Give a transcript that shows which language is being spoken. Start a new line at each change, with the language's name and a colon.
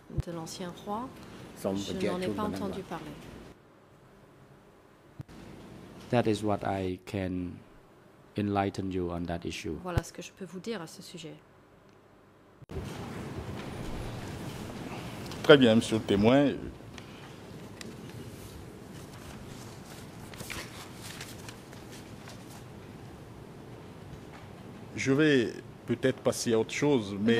French: De l'ancien roi, je n'en ai pas entendu parler.
English: That is what I can enlighten you on that issue.
French: Voilà ce que je peux vous dire à ce sujet. Très bien, Monsieur le témoin. Je vais peut-être passer à autre chose, mais